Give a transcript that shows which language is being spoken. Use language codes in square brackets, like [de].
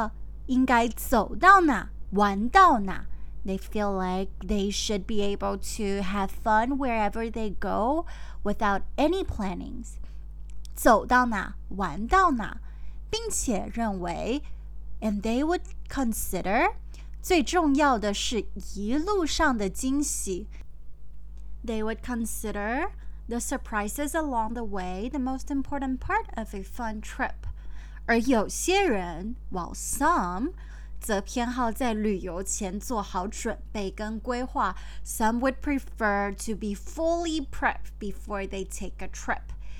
[zh] 没有规划，觉得应该走到哪玩到哪。 [en] They feel like they should be able to have fun wherever they go without any plannings. [zh] 走到哪玩到哪，并且认为， [en] and they would consider [zh] 最重要的是一路上的惊喜。 [en] They would consider the surprises along the way the most important part of a fun trip. [zh] 而有些人, [en] while some, [zh] 则偏好在旅游前做好准备跟规划。 [en] Some would prefer to be fully prepped before they take a trip.